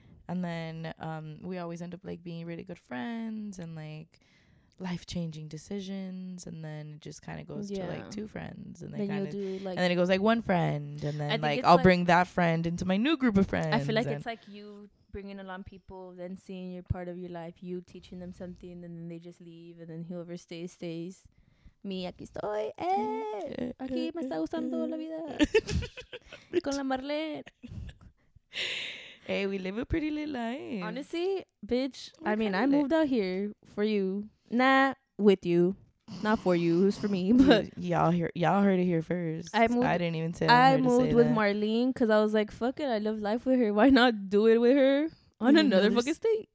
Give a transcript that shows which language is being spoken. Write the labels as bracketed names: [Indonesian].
[English] And then we always end up like being really good friends and like life-changing decisions, and then it just kind of goes to like two friends, and then you'll do like, and then it goes like one friend, and then like I'll bring that friend into my new group of friends. I feel like it's like you bringing along people, then seeing your part of your life, you teaching them something, and then they just leave, and then whoever stays. [Spanish] Me aquí estoy, aquí me está gustando la vida con la Marlene. [English] Hey, we live a pretty little life, honestly, bitch. I mean, I moved out here for you. Nah, with you. Not for you. Who's for me? But y'all heard it here first. I moved with Marlene because I was like, fuck it. I love life with her. Why not do it with her on another fucking state?